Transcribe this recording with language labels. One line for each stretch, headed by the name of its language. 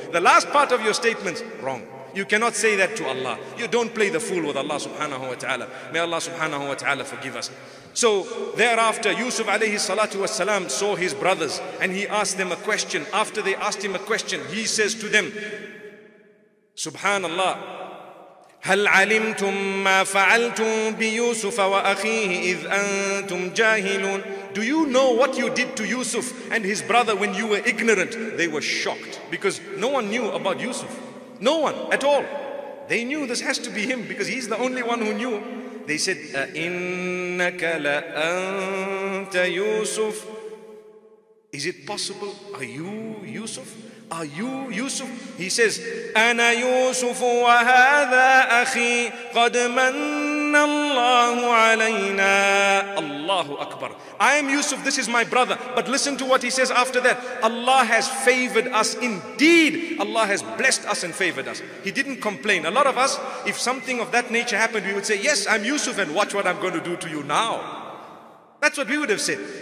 English: The last part of your statement, wrong. You cannot say that to Allah. You don't play the fool with Allah subhanahu wa ta'ala. May Allah subhanahu wa ta'ala forgive us. So thereafter, Yusuf alayhi salatu wa salam saw his brothers and he asked them a question. After they asked him a question, he says to them, Subhanallah.
Arabic: هل علمتم ما فعلتم بيوسف وأخيه إذ أنتم جاهلون.
English: Do you know what you did to Yusuf and his brother when you were ignorant? They were shocked because no one knew about Yusuf. No one at all. They knew this has to be him because he's the only one who knew.
Arabic: They said, أَإِنَّكَ لَأَنْتَ يُوسُف.
English: Is it possible? Are you Yusuf? Are you Yusuf?
Arabic: He says, أَنَا يُوسُفُ وَهَذَا أَخِي قَدْ مَنَّ اللَّهُ عَلَيْنَا. Allahu Akbar.
English: I am Yusuf, this is my brother. But listen to what he says after that. Allah has favored us. Indeed, Allah has blessed us and favored us. He didn't complain. A lot of us, if something of that nature happened, we would say, yes, I'm Yusuf and watch what I'm going to do to you now. That's what we would have said.